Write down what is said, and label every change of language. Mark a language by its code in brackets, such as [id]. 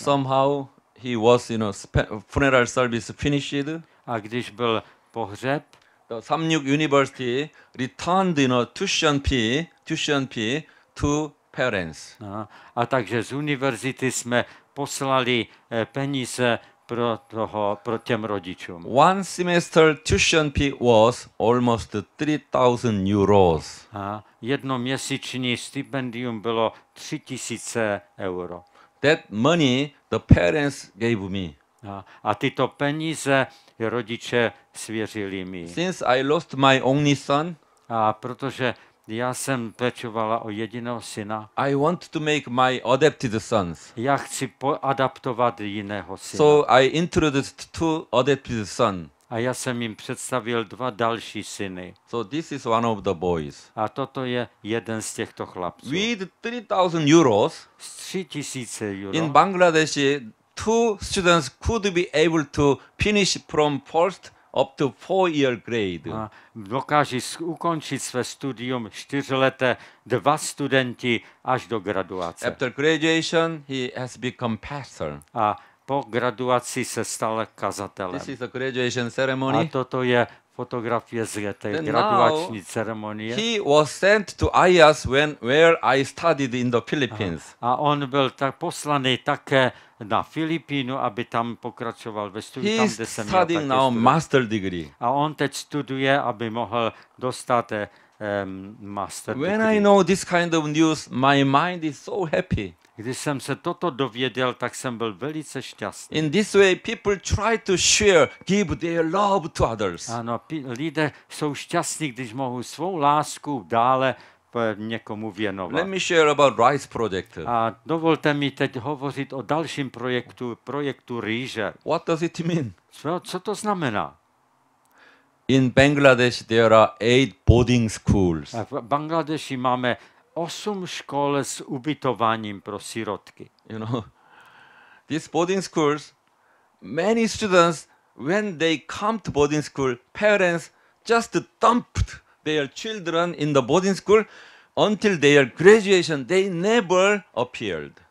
[en] Somehow he was, funeral service finished. [cs] A když byl pohřeb, [en] the Samyuk University returned, tuition fee to parents. [cs] A takže z univerzity jsme poslali peníze pro těm rodičům. [en] One semester tuition fee was almost 3000 euros. [cs] A jednoměsíční stipendium bylo 3000 euro. [en] That money the parents gave me. [cs] A tyto peníze rodiče svěřili mi. [en] Since I lost my only son, [cs] a protože já jsem pečovala o jediného syna. [en] I want to make my adopted sons. [cs] Já chci adaptovat jiného syna. [en] So I introduced two adopted sons. [cs] A já jsem jim představil dva další syny. [en] So this is one of the boys. [cs] A toto je jeden z těchto chlapců. [en] With 3000 euros. [cs] S 3000 euro. [en] In Bangladesh, two students could be able to finish from first up to 4-year grade. [cs] A dokáží ukončit své studium 4leté dva studenti až do graduace. [en] After graduation, he has become pastor. [cs] A po graduaci se stal kazatelem. [en] This is a graduation ceremony. [cs] A toto je fotografie z té graduační ceremonie. [en] He was sent to IAS where I studied in the Philippines. [cs] A on byl tak poslaný také na Filipínu, aby tam pokračoval ve studiu, tam, kde jsem měl také studiu. [en] Now master degree. [cs] A on teď studuje, aby mohl dostat master [en] when degree. When I know this kind of news, my mind is so happy. [cs] Když jsem se toto dověděl, tak jsem byl velice šťastný. [en] In this way people try to share, give their love to others. [cs] Ano, lidé jsou šťastní, když mohou svou lásku dále někomu věnovat. [en] Let me share about rice project. [cs] A dovolte mi teď hovořit o dalším projektu rýže. [en] What does it mean? [cs] Co to znamená? [en] In Bangladesh there are 8 boarding schools. [cs] A v Bangladeši máme 8 škol s ubytováním pro sirotky. [en] These boarding schools, many students, when they come to boarding school, parents just dumped their children in the boarding school until their graduation, they never appeared.